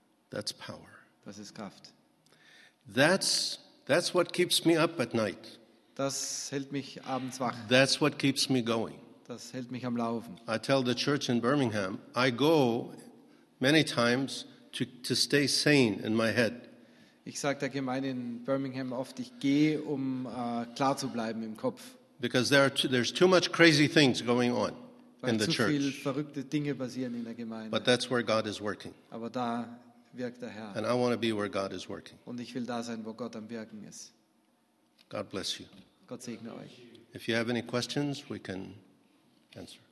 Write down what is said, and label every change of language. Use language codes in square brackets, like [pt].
[en] That's power. [de] Das ist Kraft. [en] That's what keeps me up at night. [de] Das hält mich abends wach. [en] That's what keeps me going. [de] Das hält mich am Laufen. [en] I tell the church in Birmingham, I go many times to stay sane in my head. [de] Ich sage der Gemeinde in Birmingham oft, ich gehe, um klar zu bleiben im Kopf. [en] Because there's too much crazy things going on in the church. [de] Weil zu viele verrückte Dinge passieren in der Gemeinde. [en] But that's where God is working. [de] Aber da wirkt der Herr. [en] And I want to be where God is working. [de] Und ich will da sein, wo Gott am Wirken ist. [en] God bless you. [de] Gott segne euch. [en] If you have any questions, we can answer.